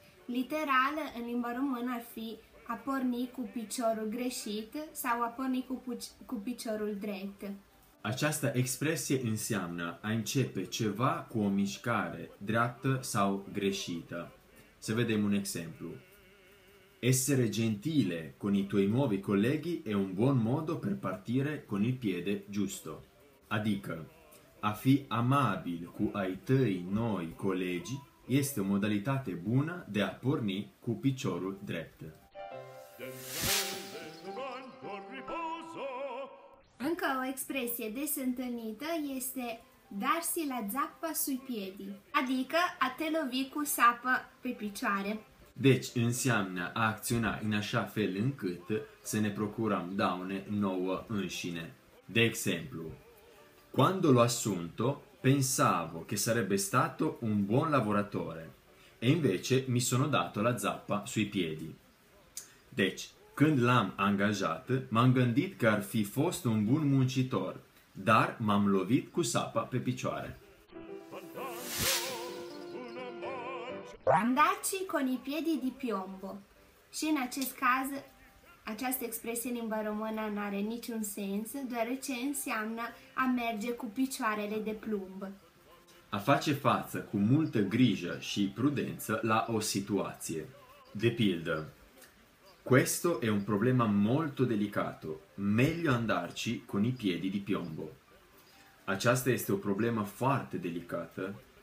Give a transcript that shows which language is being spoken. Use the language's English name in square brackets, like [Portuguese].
[Romanian] Literal, în limba română ar fi a porni cu piciorul greșit sau a porni cu piciorul drept. Această expresie înseamnă a începe ceva cu o mișcare dreaptă sau greșită. Să vedem un exemplu. [Italian] Essere gentile con i tuoi nuovi colleghi è un buon modo per partire con il piede giusto. [Romanian] Adică, a fi amabil cu ai tăi noi colegi este o modalitate bună de a porni cu piciorul drept. Încă o expresie des întâlnită este [Italian] darsi la zappa sui piedi, [Romanian] adică a te lovi cu sapă pe picioare. Deci înseamnă a acționa în așa fel încât să ne procurăm daune nouă înșine. De exemplu, [Italian] quando l'ho assunto, pensavo che sarebbe stato un buon lavoratore e invece mi sono dato la zappa sui piedi. [Romanian] Deci, când l'am angajat, m-am gândit că ar fi fost un bun muncitor, dar m-am lovit cu sapa pe picioare. [Italian] Andarci con i piedi di piombo. [Romanian] Și în acest caz, această expresie în limba română nu are niciun sens, deoarece înseamnă a merge cu picioarele de plumb. A face față cu multă grijă și prudență la o situație. De pildă. [Italian] Questo è un problema molto delicato. Meglio andarci con i piedi di piombo. [Romanian] Aceasta este o problemă foarte delicată.